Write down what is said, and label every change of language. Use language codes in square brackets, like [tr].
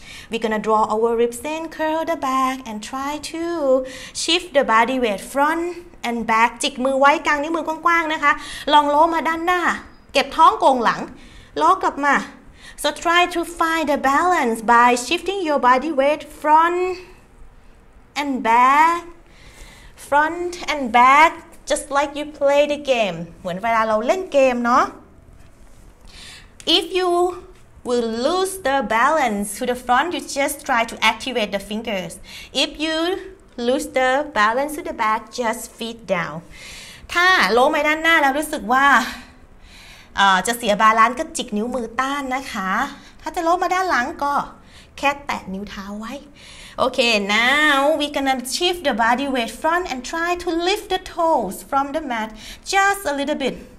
[en] We're gonna draw our ribs in, curl the back and try to shift the body weight front and back [th] จิกมือไว้กลางนิ้วมือกว้างๆนะคะลองโล้มาด้านหน้าเก็บท้องโก่งหลังล้อกลับมา [en] So try to find the balance by shifting your body weight frontAnd back, front and back, just like you play the game. [th] เหมือนเวลาเราเล่นเกมเนาะ [en] If you will lose the balance to the front, you just try to activate the fingers. If you lose the balance to the back, just feet down. [th] ถ้าล้มไปด้านหน้าแล้วรู้สึกว่าจะเสียบาลานซ์ก็จิกนิ้วมือต้านนะคะถ้าจะล้มมาด้านหลังก็แค่แตะนิ้วเท้าไว้ [en] Okay, now we're gonna shift the body weight front and try to lift the toes from the mat just a little bit.